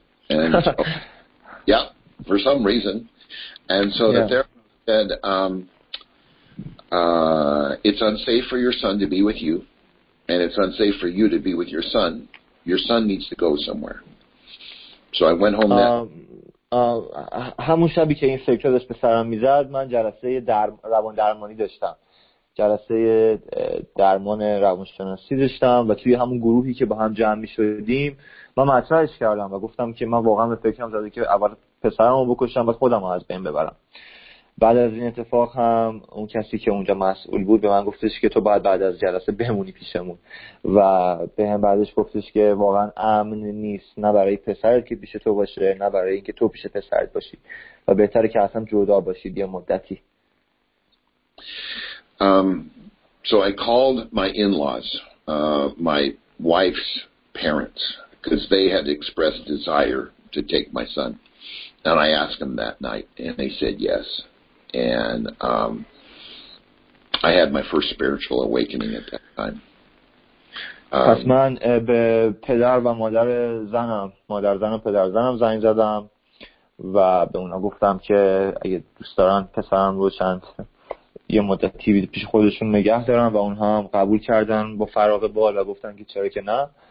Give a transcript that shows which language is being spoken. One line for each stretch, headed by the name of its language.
English: And so, yeah, for some reason. And so yeah. The therapist said, it's unsafe for your son to be with you, and it's unsafe for you to be with your son. Your son needs to go somewhere. So I went home
Persian: همون شبی که این فکر داشت به سرم میزد، من جلسه روان درمانی داشتم. جلسه درمان روانشناسی داشتم و توی همون گروهی که با هم جمع می شدیم من مطرحش کردم و گفتم که من واقعا به فکرم زده که اول پسرم رو بکشم و خودم رو از بین ببرم. بعد از این اتفاق هم اون کسی که اونجا مسئول بود به من گفتش که تو باید بعد از جلسه بمونی پیشمون و به هم بعدش گفتش که واقعا امن نیست، نه برای پسرت که پیش تو باشه، نه برای اینکه تو پیش پسرت باشی، و بهتره که اصلا جدا باشید یه مدتی.
English: So I called my in-laws, my wife's parents, because they had expressed desire to take my son. And I asked them that night, and they said yes. And I had my first spiritual awakening at that time.
Persian: پس من به پدر و مادر زنم، مادر زن و پدر زنم زنگ زدم و به اونا گفتم که اگه دوست دارن پسرم رو چند یه مدتی پیش خودشون نگه دارن و اونها هم قبول کردن با فراغ بال و گفتن که چرا که نه.